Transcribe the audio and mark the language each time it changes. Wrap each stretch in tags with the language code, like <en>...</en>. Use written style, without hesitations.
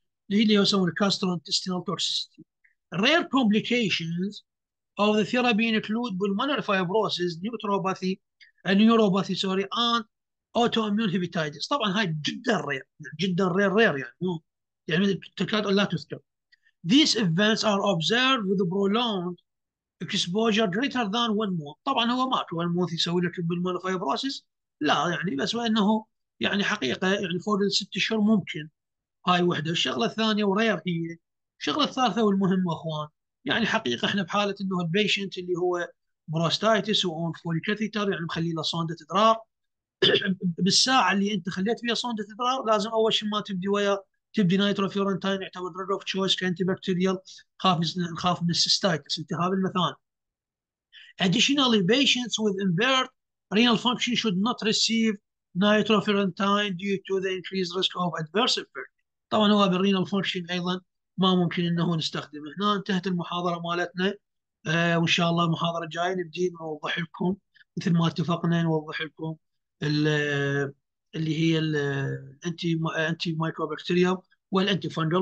<ar>اللي هو يسمونه الكاسترو انتستينال توكسيسيتي.</ar> <en>Rare complications of the therapy include pulmonary fibrosis, neuropathy, neuropathy sorry, and autoimmune hepatitis.</en> <ar>طبعا هاي جدا rare، جدا rare rare يعني مو يعني تكاد لا تذكر.</ar> <en>These events are observed with prolonged exposure greater than 1 month.</en> <ar>طبعا هو مات 1 month يسوي لك pulmonary fibrosis، لا يعني بس وانه يعني حقيقه يعني فوق الست اشهر ممكن. هاي وحده. الشغله الثانيه ورير هي الشغله الثالثه والمهمه اخوان، يعني حقيقه احنا بحاله انه البيشنت اللي هو</ar> <en>prostatitis واون Foley catheter,</en> <ar>يعني مخلي له صونده ادرار، بالساعه اللي انت خليت فيها صونده ادرار لازم اول شيء ما تبدي ويا تبدي نيتروفيورنتين، يعتبر</ar> <en>drug of choice كانتي bacterial,</en> <ar>نخاف من السيستايتس التهاب المثانه.</ar> <en>Additionally, patients with impaired renal function should not receive nitrofurantoin due to the increased risk of adverse effect.</en> <ar>طبعا هو بالرينال فانكشن ايضا ما ممكن انه نستخدمه. هنا انتهت المحاضره مالتنا. وان شاء الله المحاضره الجايه نبدي نوضح لكم مثل ما اتفقنا، نوضح لكم اللي هي الانتي مايكروبكتيريوم والانتي فانجل.</ar>